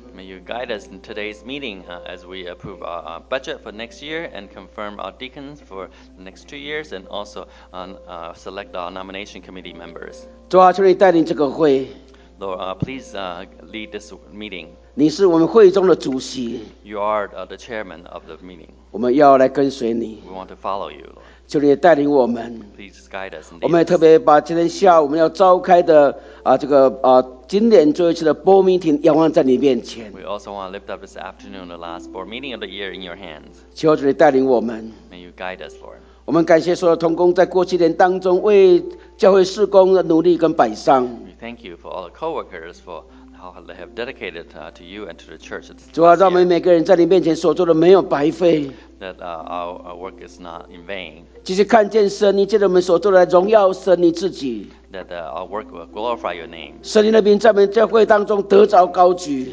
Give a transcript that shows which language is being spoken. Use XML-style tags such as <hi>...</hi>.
<en>May you guide us in today's meeting as we approve our budget for next year and confirm our deacons for the next 2 years and also select our nomination committee members.</en> <zh>主啊，求你带领这个会。</zh> <en>Lord, please lead this meeting.</en> <zh>你是我们会中的主席。</zh> <en>You are the chairman of the meeting.</en> <zh>我们要来跟随你。</zh> <en>We want to follow you, Lord.</en> <zh>求你带领我们。</zh> <en>Please guide us.</en> <zh>我们也特别把今天下午我们要召开的今年最后一次的</zh> <en>board meeting</en> <zh>仰望在你面前。</zh> <en>We also want to lift up this afternoon the last board meeting of the year in your hands.</en> <zh>求主你带领我们。</zh> <en>May you guide us, Lord.</en> <zh>我们感谢所有同工在过去年当中为教会事工的努力跟摆上。</zh> <en>We thank you for all the co-workers for how they have dedicated to you and to the church.</en> <zh>主啊，让我们每个人在你面前所做的没有白费。</zh> <en>That our work is not in vain.</en> <zh>其实看见神，你借着我们所做的来荣耀神你自己。</zh> <en>That our work will glorify your name.</en> <zh>圣灵的名在我们教会当中得着高举。</zh>